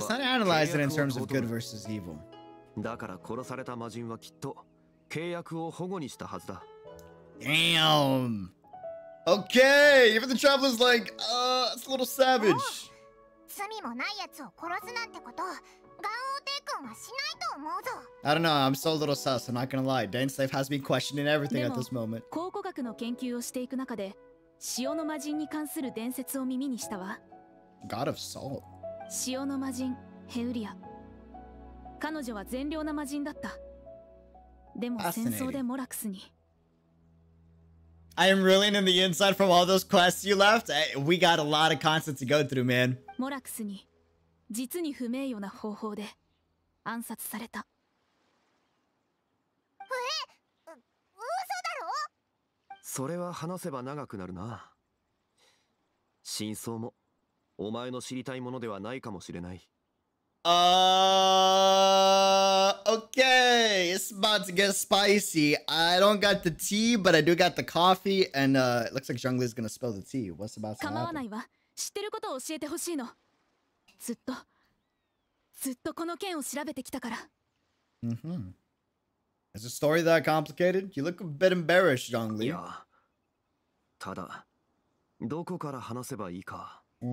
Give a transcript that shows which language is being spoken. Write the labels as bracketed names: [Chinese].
[English] Let's not analyze it in terms of good versus evil. [Japanese] だから殺された魔人はきっと契約を保護にしたはずだ。 [English] Damn. Okay, even the traveler's like, it's a little savage. [Japanese] 罪もないやつを殺すなんてこと、眼王帝君はしないと思うぞ。 [English] I don't know. I'm so a little sus. I'm not gonna lie. Dane's life has been questioning everything at this moment. [Japanese] 考古学の研究をしていく中で、塩の魔人に関する伝説を耳にしたわ。 [English] God of Salt. [Japanese] 塩の魔人、ヘウリア。彼女は善良な魔人だった。でも戦争でモラクスに。 [English] I am reeling in the inside from all those quests you left. We got a lot of content to go through, man. [Japanese] モラクスに実に不名誉な方法で暗殺された。え、嘘だろ？それは話せば長くなるな。真相もお前の知りたいものではないかもしれない。 [English] Okay, it's about to get spicy. I don't got the tea, but I do got the coffee, and it looks like Zhongli is gonna spill the tea. What's about to happen? [Japanese] 構わないわ。知ってることを教えてほしいの。ずっと、ずっとこの件を調べてきたから。 [English] Mm-hmm. Is the story that complicated? You look a bit embarrassed, Zhongli. [Japanese] いや、ただ、どこから話せばいいか。